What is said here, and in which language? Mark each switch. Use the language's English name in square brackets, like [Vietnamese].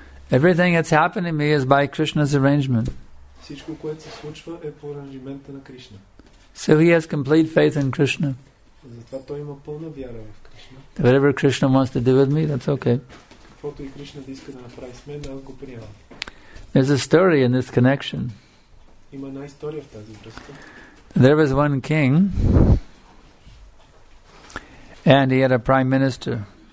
[English] Everything that's happening to me is by Krishna's arrangement. [Bulgarian] Всичко, което се случва, е по аранжимента на Кришна. [English] So he has complete faith in Krishna. [Bulgarian] Затова той има пълна вяра в Кришна. [English] Whatever Krishna wants to do with me, that's okay. [Bulgarian] Каквото и Кришна да иска да направи с мен, аз го приемам. [English] There's a story in this connection. [Bulgarian] Има една история в тази връзка. [English] There was one king, and he had a prime minister.